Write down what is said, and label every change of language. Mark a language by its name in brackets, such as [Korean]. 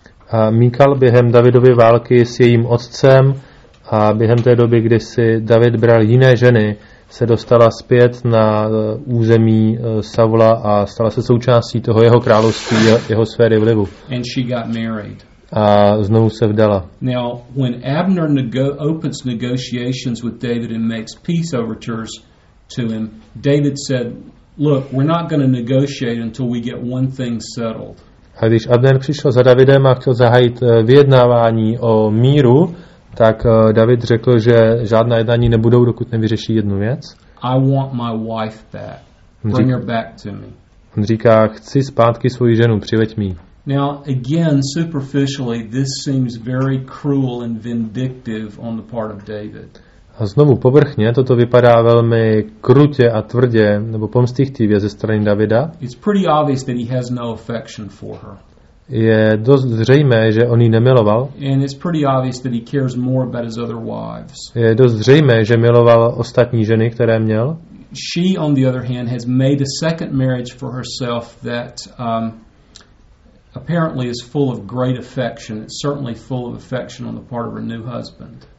[Czech] A Michal během Davidovy války s jejím otcem a během té doby, kdy si David bral jiné ženy, se dostala zpět na území Saula a stala se součástí toho jeho království, jeho sféry vlivu. [English] And she got married. [Czech] A znovu se vdala. [English] Now, when Abner opens negotiations with David and makes peace overtures to him, David said, look, we're not going to negotiate until we get one thing settled. [Czech] A když Abner přišel za Davidem a chtěl zahájit vyjednávání o míru, tak David řekl, že žádná jednání nebudou, dokud nevyřeší jednu věc. [English] I want my wife back. Bring her back to me. [Czech] On říká, chci zpátky svoji ženu, přiveď mi. [English] Now, again, superficially, this seems very cruel and vindictive on the part of David. [Czech] A znovu povrchně, toto vypadá velmi krutě a tvrdě, nebo pomstychtivě ze strany Davida. [English] It's pretty obvious that he has no affection for her. [Czech] Je dost zřejmé, že on ji nemiloval. [English] And it's pretty obvious that he cares more about his other wives. [Czech] Je dost zřejmé, že miloval ostatní ženy, které měl. [English] She, on the other hand, has made a second marriage for herself that apparently is full of great affection. It's certainly full of affection on the part of her new husband.